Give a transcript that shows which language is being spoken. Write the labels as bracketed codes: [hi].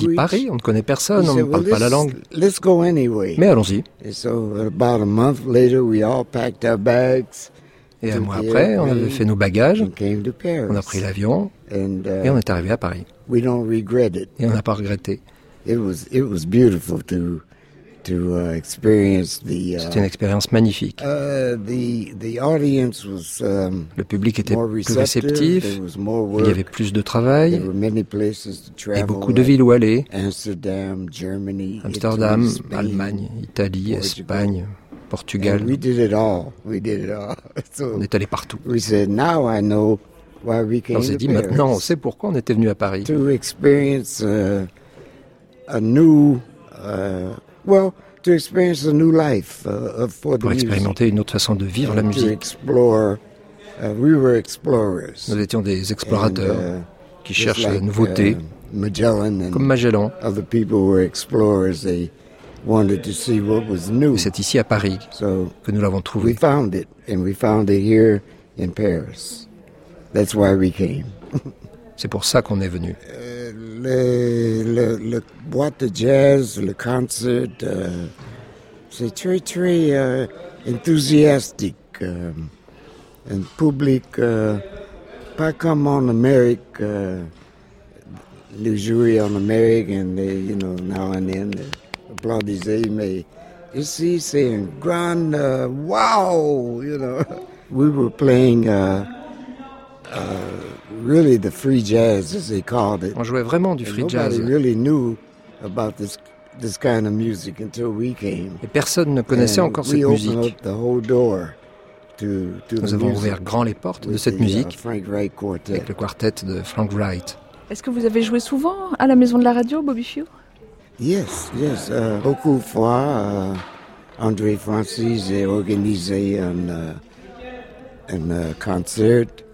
[fr] Sylvain a dit Paris, on ne connaît personne, on ne parle pas la langue. [en] Let's go anyway. [fr] Mais allons-y. [en] And so about a month later, we all packed our bags. [fr] Et un mois après, on avait fait nos bagages. [en] And came to Paris. [fr] On a pris l'avion et on est arrivé à Paris. [en] We don't regret it. [fr] Et on n'a pas regretté. [en] It was beautiful to experience the [fr] c'était une expérience magnifique. [en] The audience was [fr] le public était [en] more [fr] plus réceptif, [en] there was more work. [fr] Il y avait plus de travail, [en] there were many places to travel, [fr] et beaucoup de villes où aller. [en] Amsterdam, Germany, [fr] Amsterdam, [en] Italy, Spain, [fr] Allemagne, Italie, Portugal. Espagne, Portugal. [en] And we did it all. We did it all. [fr] So on est allé partout. [en] We said, now I know why we came. [fr] On s'est dit, maintenant on sait pourquoi on était venu à Paris. [en] To experience a new well, to experience a new life for the [fr] pour expérimenter [en] music. [fr] Une autre façon de vivre la musique. [en] Explore, we were explorers. [fr] Nous étions des explorateurs qui cherchent la nouveauté, [en] Magellan [fr] comme Magellan. [en] Other people were explorers. They wanted to see what was new. [fr] Et c'est ici à Paris [en] so [fr] que nous l'avons trouvé. [en] We found it, and we found it here in Paris. That's why we came. [fr] C'est pour ça qu'on est venu. Le boîte de jazz, le concert, c'est très, très enthousiastique. Un public, pas comme en Amérique, les jury en Amérique, [en] and they, you know, now and then, [fr] applaudissent, mais ici, c'est un grand wow, [en] you know. We were playing really the free jazz, as they called it. [fr] On jouait vraiment du free jazz. [en] Nobody really knew about this kind of music until we came. [fr] Et personne ne connaissait encore cette musique. [en] We opened the whole door to [fr] nous avons ouvert grand les portes de cette musique [en] Frank Wright Quartet. [fr] Avec le quartet de Frank Wright. Est-ce que vous avez joué souvent à la Maison de la Radio, Bobby Few? Yes, beaucoup de fois. André Francis a organisé un concert.